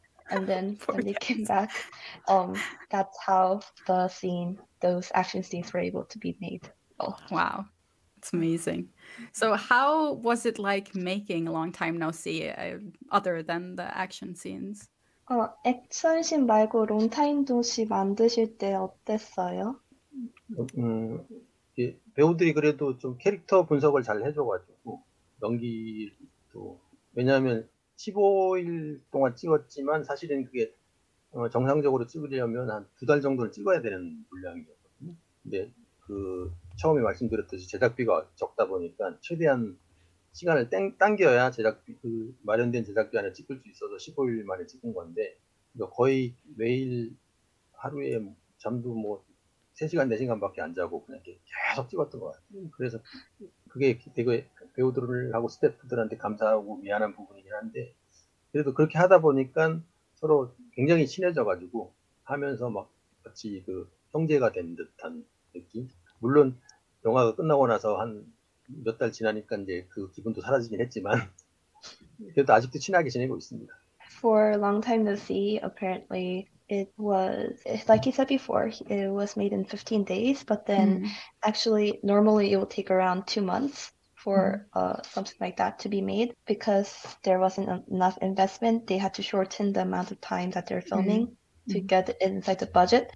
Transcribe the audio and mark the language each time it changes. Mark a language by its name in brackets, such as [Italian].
[English] And then when they came back, that's how the scene, those action scenes were able to be made. Oh. Wow. It's amazing. So how was it like making Long Time No See other than the action scenes? [Korean] 액션 씬 말고 롱타임도 씨 만드실 때 어땠어요? 예, 배우들이 그래도 좀 캐릭터 분석을 잘 해줘가지고 연기도 왜냐하면 15일 동안 찍었지만 사실은 그게 정상적으로 찍으려면 한 두 달 정도를 찍어야 되는 분량이었거든요. 근데 그 처음에 말씀드렸듯이 제작비가 적다 보니까 최대한 시간을 당겨야 제작비, 그 마련된 제작비 안에 찍을 수 있어서 15일 만에 찍은 건데 거의 매일 하루에 잠도 뭐 3시간, 4시간밖에 안 자고 그냥 이렇게 계속 찍었던 것 같아요. 그래서 그게 되게 배우들하고 스태프들한테 감사하고 미안한 부분이긴 한데 그래도 그렇게 하다 보니까 서로 굉장히 친해져가지고 하면서 막 같이 그 형제가 된 듯한 느낌? 물론 영화가 끝나고 나서 한 몇 달 지나니까 이제 그 기분도 사라지긴 했지만 그래도 아직도 친하게 지내고 있습니다. [English] For a long time to see, apparently it was, like you said before, it was made in 15 days, but then actually normally it would take around 2 months for something like that to be made because there wasn't enough investment. They had to shorten the amount of time that they're filming to get inside the budget.